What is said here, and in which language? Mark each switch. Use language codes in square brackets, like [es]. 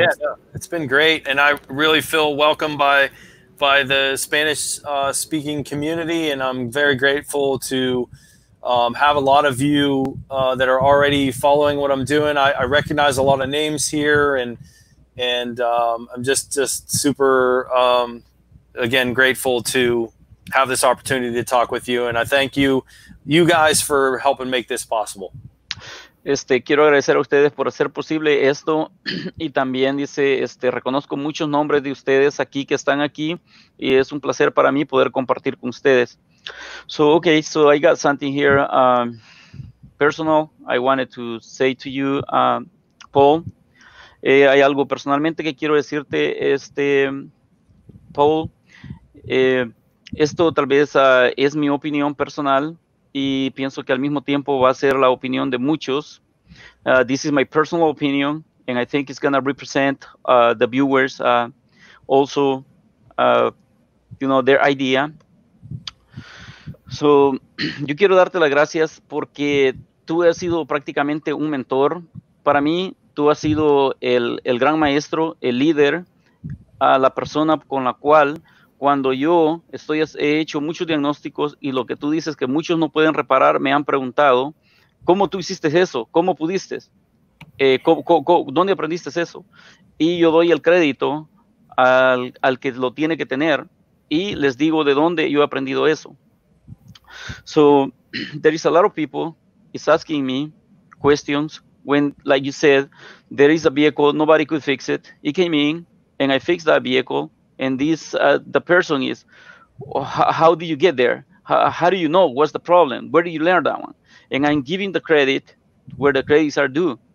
[en] Yeah, it's been great, and I really feel welcomed by the Spanish speaking community, and I'm very grateful to have a lot of you that are already following what I'm doing. I recognize a lot of names here, and I'm just super again grateful to have this opportunity to talk with you, and I thank you guys for helping make this possible. [es] Quiero agradecer a ustedes por hacer posible esto y también dice reconozco muchos nombres de ustedes aquí que están aquí y es un placer para mí poder compartir con ustedes. [en] So okay, so I got something here personal I wanted to say to you, Paul. [es] Hay algo personalmente que quiero decirte, Paul. Esto tal vez es mi opinión personal y pienso que al mismo tiempo va a ser la opinión de muchos. [en] This is my personal opinion, and I think it's going to represent the viewers also, you know, their idea. [es] So, yo quiero darte las gracias porque tú has sido prácticamente un mentor. Para mí, tú has sido el gran maestro, el líder, la persona con la cual cuando yo he hecho muchos diagnósticos y lo que tú dices que muchos no pueden reparar, me han preguntado, ¿cómo tú hiciste eso? ¿Cómo pudiste? ¿Dónde aprendiste eso? Y yo doy el crédito al que lo tiene que tener y les digo de dónde yo he aprendido eso. [en] So, there is a lot of people is asking me questions when, like you said, there is a vehicle, nobody could fix it. It came in and I fixed that vehicle. And this, the person is, how do you get there? How do you know what's the problem? Where do you learn that one? And I'm giving the credit where the credits are due.